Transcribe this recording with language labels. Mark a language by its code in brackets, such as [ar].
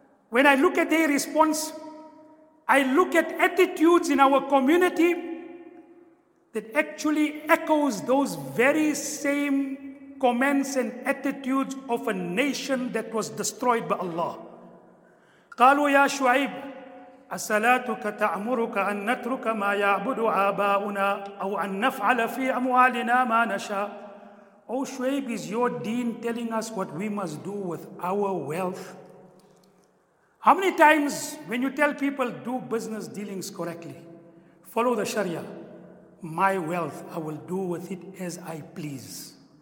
[en] When I look at their response, I look at attitudes in our community that actually echoes those very same comments and attitudes of a nation that was destroyed by Allah. [ar] قالوا يا شعيب أصلاتك تأمرك أن نترك ما يعبد آباؤنا أو أن نفعل في أموالنا ما نشاء. [en] Oh Shuaib, is your deen telling us what we must do with our wealth? How many times when you tell people do business dealings correctly, follow the Sharia, my wealth, I will do with it as I please.